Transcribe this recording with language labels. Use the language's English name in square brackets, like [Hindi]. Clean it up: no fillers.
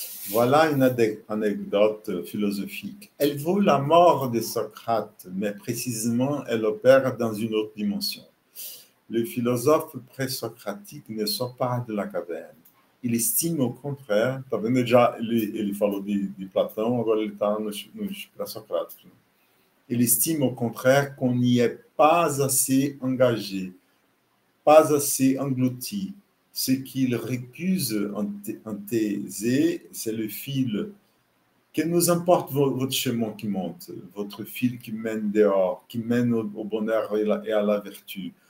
[French] Voilà une anecdote philosophique. Elle vaut la mort de Socrate, mais précisément, elle opère dans une autre dimension. Le philosophe pré-socratique ne sort pas de la caverne. Il estime au contraire, [Portuguese] tá vendo? Ele falou de Platão, agora ele está no pré-socrate. [French] Il estime au contraire qu'on n'y est pas assez engagé, pas assez englouti. Ce qu'il récuse en Thésée, c'est le fil. Que nous importe votre chemin qui monte, votre fil qui mène dehors, qui mène au bonheur et à la vertu.